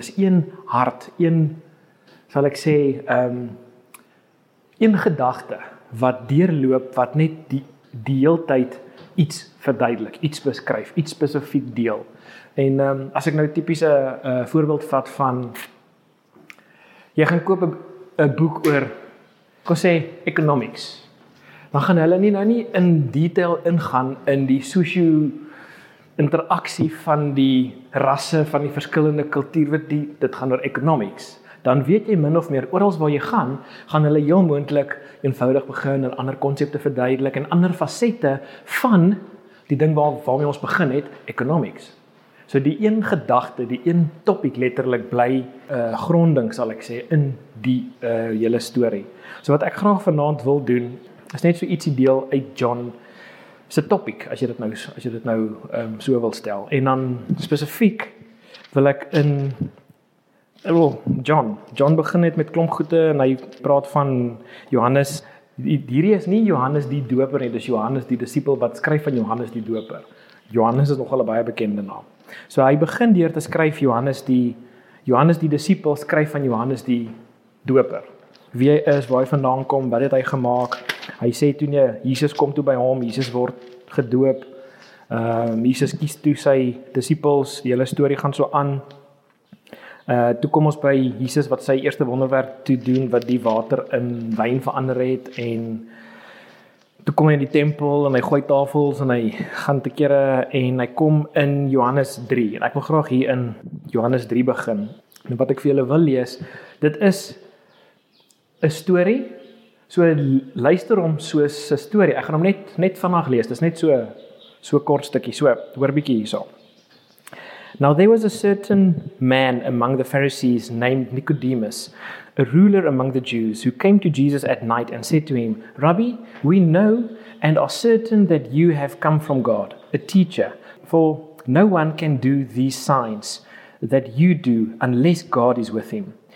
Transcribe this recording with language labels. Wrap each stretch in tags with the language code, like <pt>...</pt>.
<af>Dis een hart, een, sal ek sê, een gedagte wat deurloop, wat net die heel tyd iets verduidelik, iets beskryf, iets spesifiek deel. En as ek nou typiese voorbeeld vat van, jy gaan koop 'n boek oor, kon sê, economics, dan gaan hulle nie nou nie in detail ingaan in die socio-interaksie van die rasse, van die verskillende kultuur, dit gaan oor economics. Dan weet jy min of meer, oral waar jy gaan, gaan hulle heel moontlik eenvoudig begin en ander konsepte verduidelik en ander facette van die ding waarmee ons begin het, economics. So die een gedagte, die een topic letterlik bly gronding, sal ek sê, in die hele story. So wat ek graag vanavond wil doen, is net so ietsie deel uit John se topic, as jy dit nou so wil stel. En dan spesifiek wil ek in John begin het met klomp goede en hy praat van Johannes. Hierdie is nie Johannes die doper nie, dis Johannes die disipel wat skryf van Johannes die doper. Johannes is nogal 'n baie bekende naam. So hy begin deur te skryf Johannes die disipel skryf van Johannes die doper. Wie hy is, waar hy vandaan kom, wat het hy gemaak? Hy sê toe nie, Jesus kom toe by hom, Jesus word gedoop. Jesus kies toe sy disipels, die hele story gaan so aan. Toe kom ons by Jesus wat sy eerste wonderwerk toe doen, wat die water in wyn verander het, en toe kom hy in die tempel en hy gooi tafels en hy gaan te kere en hy kom in Johannes 3. En ek wil graag hier in Johannes 3 begin. En wat ek vir julle wil lees, dit is 'n story. So luister hom soos 'n story. Ek gaan hom net vanaand lees. Dis net so kort stukkie. So hoor bietjie hierso.</af> <en>Now there was a certain man among the Pharisees named Nicodemus, a ruler among the Jews, who came to Jesus at night and said to him, Rabbi, we know and are certain that you have come from God, a teacher, for no one can do these signs that you do unless God is with him.</en>